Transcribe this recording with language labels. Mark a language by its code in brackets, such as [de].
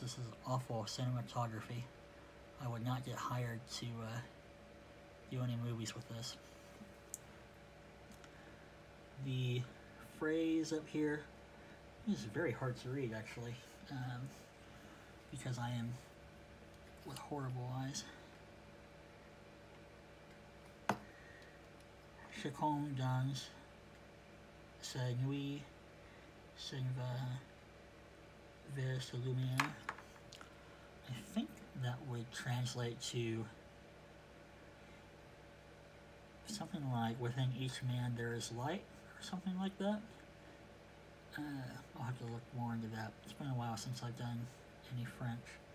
[en] This is awful cinematography. I would not get hired to do any movies with this. The phrase up here, this is very hard to read actually, because I am with horrible eyes. [fr] Chacon dans sa nuit s'en va vers sa lumière. [en] I think that would translate to something like, within each man there is light, or something like that. I'll have to look more into that. It's been a while since I've done any French.